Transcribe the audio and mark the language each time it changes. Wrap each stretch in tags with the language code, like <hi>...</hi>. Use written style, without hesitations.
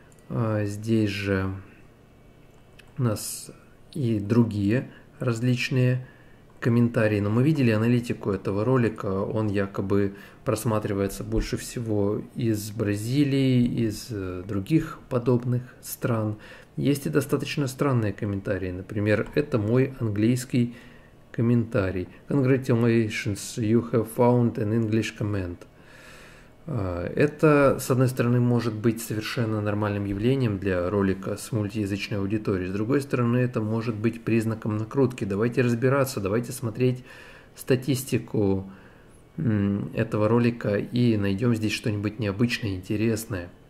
<ru>Здесь же у нас и другие различные комментарии. Но мы видели аналитику этого ролика. Он якобы просматривается больше всего из Бразилии, из других подобных стран. Есть и достаточно странные комментарии. Например, это мой английский комментарий.</ru> <en>Congratulations, you have found an English comment.</en> <ru>Это, с одной стороны, может быть совершенно нормальным явлением для ролика с мультиязычной аудиторией. С другой стороны, это может быть признаком накрутки. Давайте разбираться, давайте смотреть статистику этого ролика и найдем здесь что-нибудь необычное, интересное.</ru>